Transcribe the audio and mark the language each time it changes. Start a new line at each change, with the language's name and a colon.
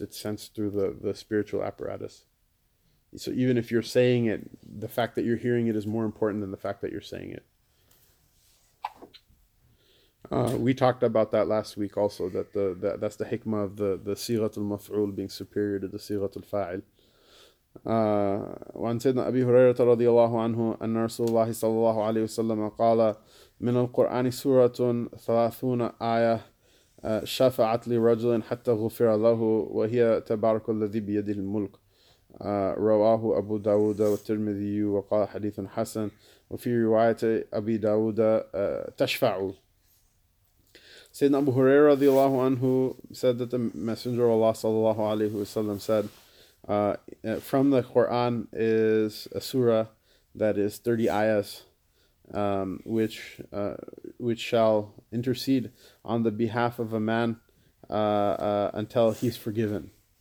English: It's sensed through the spiritual apparatus. So even if you're saying it, the fact that you're hearing it is more important than the fact that you're saying it. We talked about that last week also, that that's the hikmah of the Sirat al-Maf'ul being superior to the Sirat al-Fa'il.
Arabic: وعن سيدنا أبي هريرة رضي الله عنه أن رسول الله صلى الله عليه وسلم قال من القرآن سورة 30 آية شفعت لرجل حتى غفر له وهي تبارك الذي بيده الملك رواه أبو داود والترمذي وقال حديث حسن وفي رواية أبي داود تشفعوا.
English: Sayyidina Abu Huraira radiallahu anhu said that the Messenger of Allah sallallahu alayhi wa sallam said, from the Quran is a surah that is 30 ayahs, which shall intercede on the behalf of a man until he's forgiven.